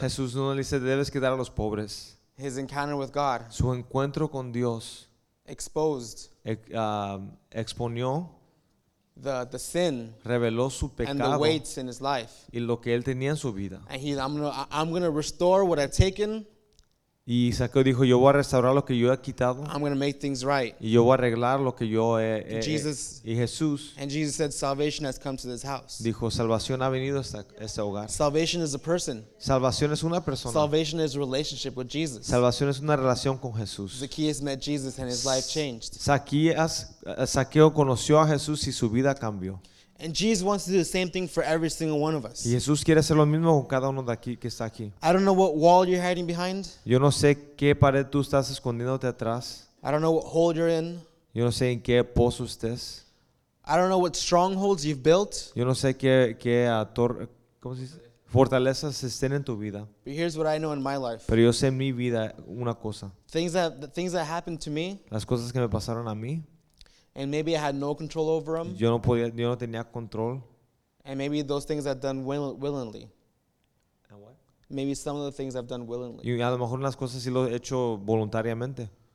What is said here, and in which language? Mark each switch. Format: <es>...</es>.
<es>Jesús no le dice, debes que dar a los pobres.</es> <en>His encounter with God.</en> <es>Su encuentro con Dios.</es> <en>Exposed.</en> <es>Exponió.</es> <en>The sin.</en> <es>Reveló su pecado.</es> <en>And the weights in his life.</en> <es>Y lo que él tenía en su vida.</es> <en>And he said, I'm gonna restore what I've taken.</en> <es>Y Zaqueo dijo, yo voy a restaurar lo que yo he quitado.</es> <en>I'm going to make things right.</en> <es>Y yo voy a arreglar lo que yo he</es> <en>Jesus,</en> <es>y Jesús.</es> <en>And Jesus said, salvation has come to this house.</en> <es>Dijo, salvación ha venido a este hogar.</es> <en>Salvation is a person.</en> <es>Salvación es una persona.</es> <en>Salvation is a relationship with Jesus.</en> <es>Salvación es una relación con Jesús.</es> <en>Zacchaeus met Jesus and his life changed.</en> <es>Zaqueo conoció a Jesús y su vida cambió.</es> <en>And Jesus wants to do the same thing for every single one of us.</en> <es>Y Jesús quiere hacer lo mismo con cada uno de aquí que está aquí.</es> <en>I don't know what wall you're hiding behind.</en> <es>Yo no sé qué pared tú estás escondiéndote atrás.</es> <en>I don't know what hole you're in.</en> <es>Yo no sé en qué pozo estés.</es> <en>I don't know what strongholds you've built.</en> <es>Yo no sé qué fortalezas estén en tu vida.</es> <en>But here's what I know in my life.</en> <es>Pero yo sé en mi vida una cosa.</es> <en>The things that happened to me.</en> <es>Las cosas que me pasaron a mí.</es> <en>And maybe I had no control over them.</en> <es>Yo no tenía control.</es> <en>And maybe those things I've done willingly. And what? Maybe some of the things I've done willingly.</en> <es>Y a lo mejor unas cosas sí lo he hecho voluntariamente.</es>